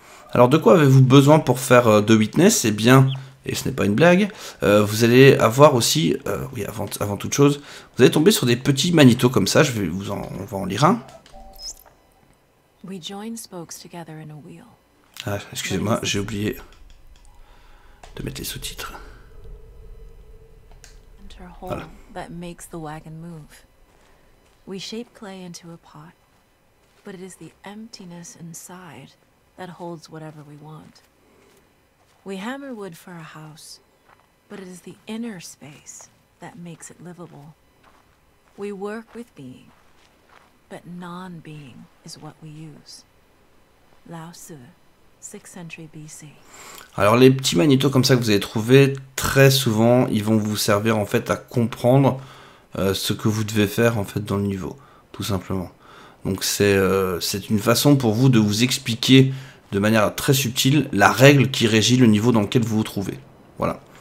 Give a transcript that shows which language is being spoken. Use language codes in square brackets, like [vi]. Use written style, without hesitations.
[fr] Alors, de quoi avez-vous besoin pour faire The Witness? Eh bien, et ce n'est pas une blague, vous allez avoir aussi, oui, avant toute chose, vous allez tomber sur des petits magnétos comme ça. On va en lire un. [en] We join spokes together in a wheel. [fr] Ah, excusez-moi, j'ai oublié de mettre les sous-titres. Voilà. [en] That makes the wagon move. We shape clay into a pot, but it is the emptiness inside that holds whatever we want. We hammer wood for a house, but it is the inner space that makes it livable. We work with being, but non-being is what we use. Lao Tzu, 6th century BC. [fr] Alors, les petits magnétos comme ça que vous allez trouver, très souvent, ils vont vous servir en fait à comprendre ce que vous devez faire en fait dans le niveau, tout simplement. Donc, c'est une façon pour vous de vous expliquer de manière très subtile la règle qui régit le niveau dans lequel vous vous trouvez. Voilà.